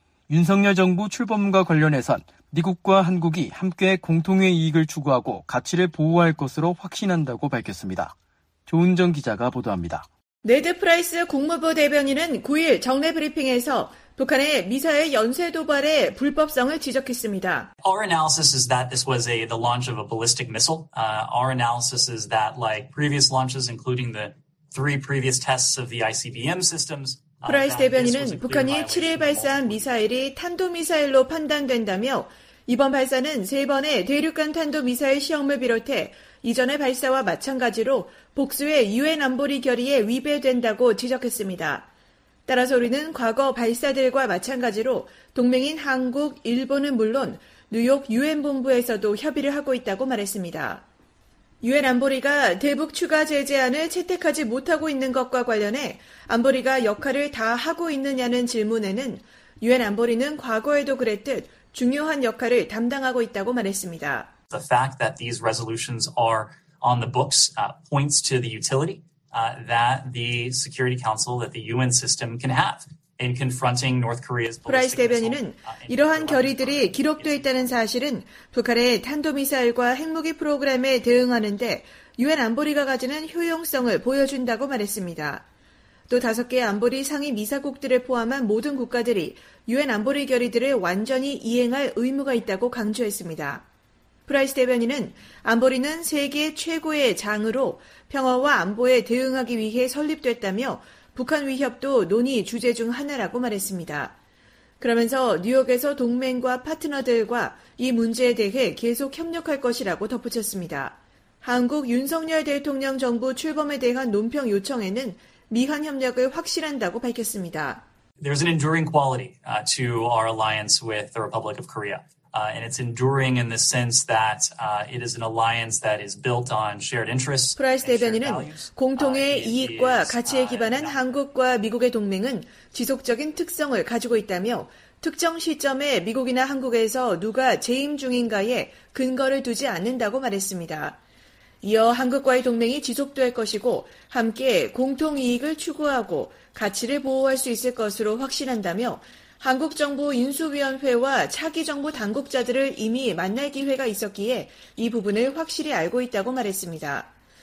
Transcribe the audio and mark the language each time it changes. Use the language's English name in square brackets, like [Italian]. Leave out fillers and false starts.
[Korean] 윤석열 정부 출범과 관련해선 미국과 한국이 함께 공통의 이익을 추구하고 가치를 보호할 것으로 확신한다고 밝혔습니다. 조은정 기자가 보도합니다. 네드 프라이스 국무부 대변인은 9일 정례 브리핑에서 북한의 미사일 연쇄 도발의 불법성을 지적했습니다. [English] Our analysis is that this was the launch of a ballistic missile. Our analysis is that like previous launches including the three previous tests of the ICBM systems. [Korean] 프라이스 대변인은 북한이 7일 발사한 미사일이 탄도미사일로 판단된다며 이번 발사는 세 번의 대륙간 탄도미사일 시험을 비롯해 이전의 발사와 마찬가지로 복수의 유엔 안보리 결의에 위배된다고 지적했습니다. 따라서 우리는 과거 발사들과 마찬가지로 동맹인 한국, 일본은 물론 뉴욕 유엔 본부에서도 협의를 하고 있다고 말했습니다. 유엔 안보리가 대북 추가 제재안을 채택하지 못하고 있는 것과 관련해 안보리가 역할을 다 하고 있느냐는 질문에는 유엔 안보리는 과거에도 그랬듯 중요한 역할을 담당하고 있다고 말했습니다. [English] The fact that these resolutions are on the books points to the utility that the Security Council, that the UN system can have. [Korean] 프라이스 대변인은 이러한 결의들이 기록되어 있다는 사실은 북한의 탄도미사일과 핵무기 프로그램에 대응하는 데 유엔 안보리가 가지는 효용성을 보여준다고 말했습니다. 또 다섯 개 안보리 상위 미사국들을 포함한 모든 국가들이 유엔 안보리 결의들을 완전히 이행할 의무가 있다고 강조했습니다. 프라이스 대변인은 안보리는 세계 최고의 장으로 평화와 안보에 대응하기 위해 설립됐다며 북한 위협도 논의 주제 중 하나라고 말했습니다. 그러면서 뉴욕에서 동맹과 파트너들과 이 문제에 대해 계속 협력할 것이라고 덧붙였습니다. 한국 윤석열 대통령 정부 출범에 대한 논평 요청에는 미한 협력을 확실한다고 밝혔습니다. [English] There's an enduring quality to our alliance with the Republic of Korea. And it's enduring in the sense that it is an alliance that is built on shared interests. [Korean] 프라이스 대변인은 공통의 이익과 가치에 기반한 한국과 미국의 동맹은 지속적인 특성을 가지고 있다며 특정 시점에 미국이나 한국에서 누가 재임 중인가에 근거를 두지 않는다고 말했습니다. 이어 한국과의 동맹이 지속될 것이고 함께 공통 이익을 추구하고 가치를 보호할 수 있을 것으로 확신한다며 한국 정부 인수위원회와 차기 정부 당국자들을 이미 만날 기회가 있었기에 이 부분을 확실히 알고 있다고 말했습니다.